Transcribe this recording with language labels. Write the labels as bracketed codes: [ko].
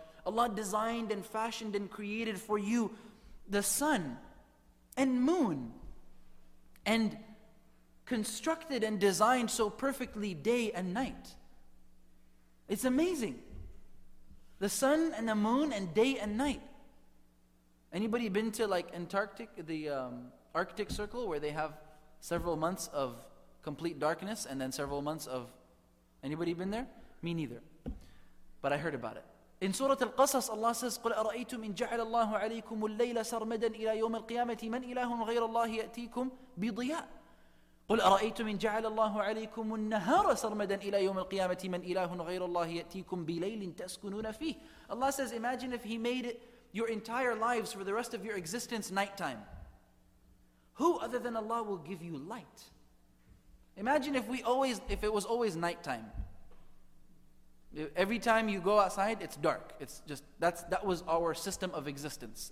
[en] Allah designed and fashioned and created for you the sun and moon, and constructed and designed so perfectly day and night. It's amazing. The sun and the moon and day and night. Anybody been to like Antarctic, the Arctic Circle, where they have several months of complete darkness and then several months of... Anybody been there? Me neither. But I heard about it. In Surah Al-Qasas, Allah says, [ar] قُلْ أَرَأَيْتُمْ إِنْ جَعَلَ اللَّهُ عَلَيْكُمُ اللَّيْلَ سَرْمَدًا إِلَى يَوْمِ الْقِيَامَةِ مَنْ إِلَهٌ غَيْرَ اللَّهِ يَأْتِيكُمْ بِضِيَاءٍ قُلْ أَرَأَيْتُمْ إِنْ جَعَلَ اللَّهُ عَلَيْكُمُ النَّهَارَ سَرْمَدًا إِلَى يَوْمِ الْقِيَامَةِ مَنْ إِلَهٌ غَيْرَ اللَّهِ يَأْتِيكُمْ بِلَيْلٍ تَسْكُنُونَ فِيهِ. [en] Allah says, imagine if He made your entire lives for the rest of your existence nighttime. Who other than Allah will give you light? Imagine if it was always nighttime. Every time you go outside, it's dark. It's just that was our system of existence.